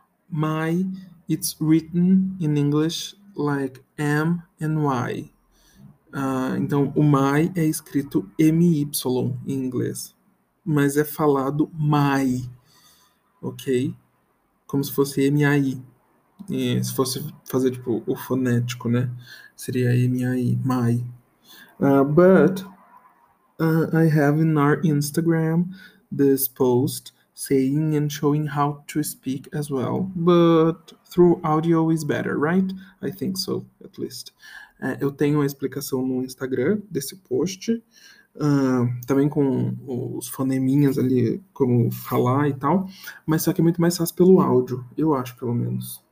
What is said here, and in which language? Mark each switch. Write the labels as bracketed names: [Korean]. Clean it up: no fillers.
[English] My, it's written in English like M and Y. [Portuguese] Então, o my é escrito MY em inglês, mas é falado my, ok? Como se fosse MAI. Se fosse fazer tipo o fonético, né? Seria MAI, my. [English] I have in our Instagram this post saying and showing how to speak as well, but through audio is better, right? I think so, at least. [Portuguese] Eu tenho a explicação no Instagram desse post, também com os foneminhas ali, como falar e tal, mas só que é muito mais fácil pelo áudio, eu acho, pelo menos.